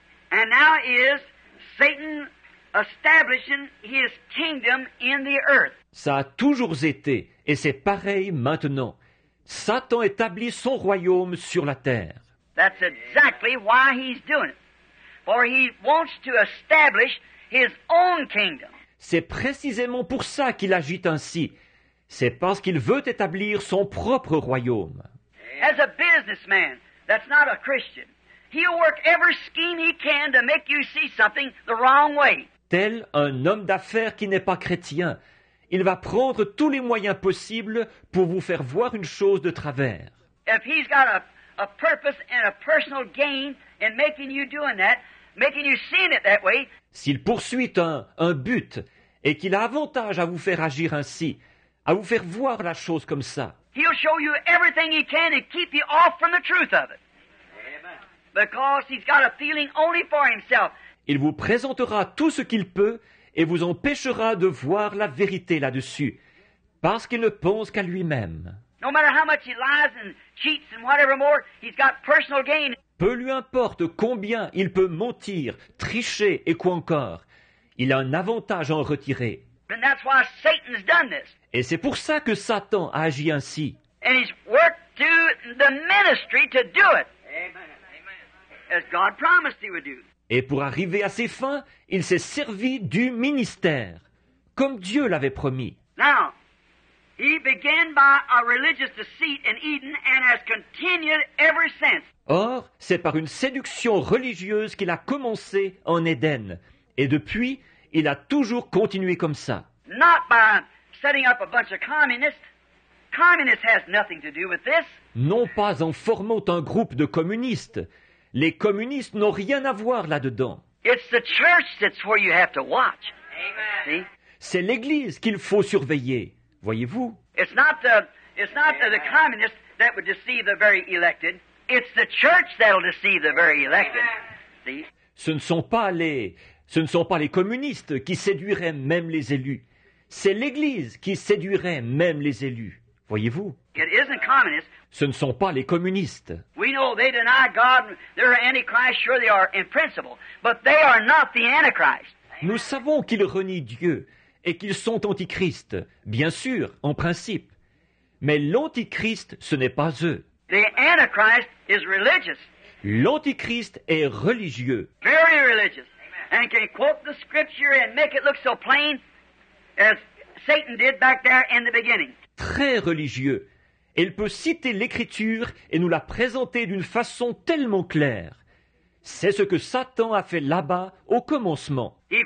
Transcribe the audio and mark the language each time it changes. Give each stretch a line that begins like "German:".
English: And now is Satan establishing his kingdom in the earth.
French: Ça a toujours été, et c'est pareil maintenant. Satan établit son royaume sur la terre.
English: That's exactly why he's doing it. For he wants to establish his own kingdom.
French: C'est précisément pour ça qu'il agit ainsi. C'est parce qu'il veut établir son propre royaume.
English: As a businessman, that's not a Christian. He'll work every scheme he can to make you see something the wrong way.
French: Tel un homme d'affaires qui n'est pas chrétien, Il va prendre tous les moyens possibles pour vous faire voir une chose de travers.
English: If he's got a purpose and a personal gain in making you doing that, making you seeing it that way.
French: S'il poursuit un but et qu'il a avantage à vous faire agir ainsi, à vous faire voir la chose comme ça.
English: He'll show you everything he can and keep you off from the truth of it. Amen. Because he's got a feeling only for himself.
French: Il vous présentera tout ce qu'il peut et vous empêchera de voir la vérité là-dessus, parce qu'il ne pense qu'à lui-même.
English: No matter how much he lies and cheats and whatever more, he's got personal gain.
French: Peu lui importe combien il peut mentir, tricher et quoi encore, il a un avantage à en retirer.
English: And that's why Satan's done this.
French: Et c'est pour ça que Satan a agi ainsi.
English: And he's worked through the ministry to do it.
French: Amen. Amen.
English: As God promised he would do.
French: Et pour arriver à ses fins, il s'est servi du ministère, comme Dieu l'avait promis.
English: Now, he began by a religious deceit in Eden and has continued ever since.
French: Or, c'est par une séduction religieuse qu'il a commencé en Éden. Et depuis, il a toujours continué comme ça.
English: Not by setting up a bunch of communists. Communists has nothing to do with this.
French: Non pas en formant un groupe de communistes. Les communistes n'ont rien à voir là-dedans.
English: It's the church that's where you have to watch. Amen. See?
French: C'est l'Église qu'il faut surveiller, voyez-vous.
English: It's not the communists that would deceive the very elected. It's the church that'll deceive the very elected. See?
French: Ce ne sont pas les communistes qui séduiraient même les élus. C'est l'Église qui séduirait même les élus, voyez-vous.
English: It isn't communists.
French: Ce ne sont pas les communistes.
English: We know they deny God. They're antichrist. Sure, they are in principle, but they are not the antichrist.
French: Nous savons qu'ils renient Dieu et qu'ils sont antichristes, bien sûr, en principe. Mais l'antichrist, ce n'est pas eux.
English: The antichrist is religious.
French: L'antichrist est religieux.
English: Very religious, and can quote the scripture and make it look so plain as Satan did back there in the beginning.
French: Très religieux. Il peut citer l'Écriture et nous la présenter d'une façon tellement claire. C'est ce que Satan a fait là-bas, au commencement.